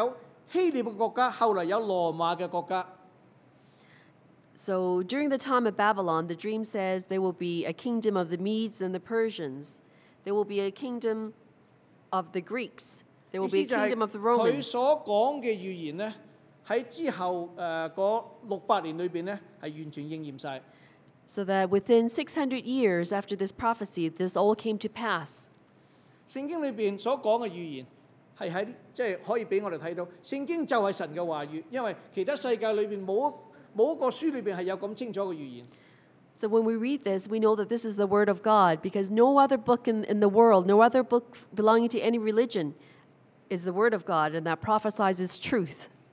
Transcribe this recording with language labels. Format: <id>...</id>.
<yue>佢可以話巴比倫之後有波斯嘅國家，有希臘嘅國家，後來有羅馬嘅國家。</yue> <en>So during the time of Babylon, the dream says there will be a kingdom of the Medes and the Persians. There will be a kingdom of the Greeks. There will be a kingdom of the Romans.</en> <yue>意思就係佢所講嘅預言咧，喺之後嗰600年裏邊咧係完全應驗曬。</yue> <en>So that within 600 years after this prophecy, this all came to pass.</en> <yue>聖經裏邊所講嘅預言係喺即係可以俾我哋睇到，聖經就係神嘅話語，因為其他世界裏邊冇。</yue> <en>So when we read this, we know that this is the word of God because no other book in the world, no other book belonging to any religion is the word of God and that prophesies its truth.</en>